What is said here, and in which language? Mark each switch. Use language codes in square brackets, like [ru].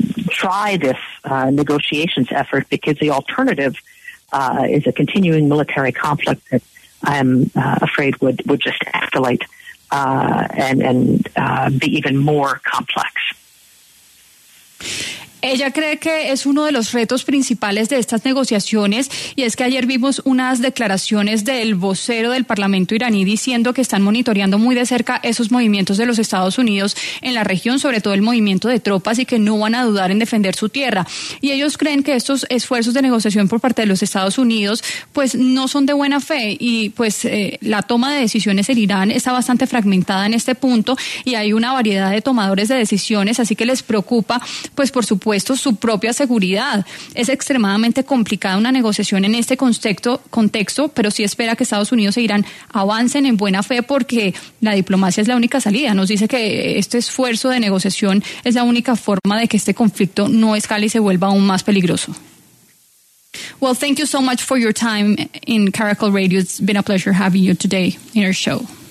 [en] try this negotiations effort, because the alternative is a continuing military conflict that I am afraid would just escalate and be even more complex. [es] Ella cree que es uno de los retos principales de estas negociaciones, y es que ayer vimos unas declaraciones del vocero del Parlamento iraní diciendo que están monitoreando muy de cerca esos movimientos de los Estados Unidos en la región, sobre todo el movimiento de tropas, y que no van a dudar en defender su tierra. Y ellos creen que estos esfuerzos de negociación por parte de los Estados Unidos pues no son de buena fe, y pues la toma de decisiones en Irán está bastante fragmentada en este punto, y hay una variedad de tomadores de decisiones, así que les preocupa, pues por supuesto, su propia seguridad. Es extremadamente complicada una negociación en este contexto, pero sí espera que Estados Unidos e Irán avancen en buena fe, porque la diplomacia es la única salida. Nos dice que este esfuerzo de negociación es la única forma de que este conflicto no escale y se vuelva aún más peligroso. [en] Well, thank you so much for your time in Caracol Radio. It's been a pleasure having you today in our show.